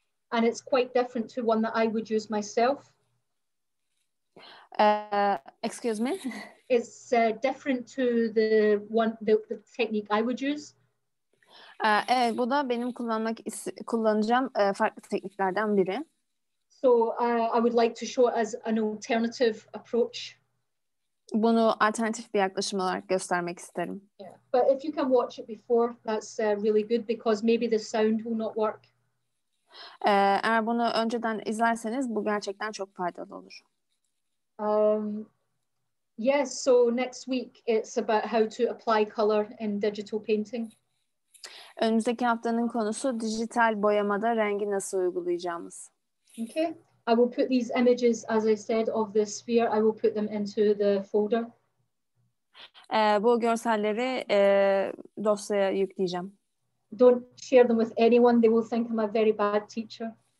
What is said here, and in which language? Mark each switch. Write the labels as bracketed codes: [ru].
[en] And it's quite different to one that I would use myself. Excuse me? It's different to the one the technique I would use. [tr] Evet, bu da benim kullanacağım farklı tekniklerden biri. [en] So I would like to show it as an alternative approach. [tr] Bunu alternatif bir yaklaşım olarak göstermek isterim. [en] Yeah. But if you can watch it before, that's really good because maybe the sound will not work. [tr] Eğer bunu önceden izlerseniz bu gerçekten çok faydalı olur. [en] Yes, so next week it's about how to apply color in digital painting. [tr] Önümüzdeki haftanın konusu dijital boyamada rengi nasıl uygulayacağımız. [en] Okay. I will put these images, as I said, of the sphere. I will put them into the folder. [tr] Bu görselleri dosyaya yükleyeceğim. [en] Don't share them with anyone. They will think I'm a very bad teacher.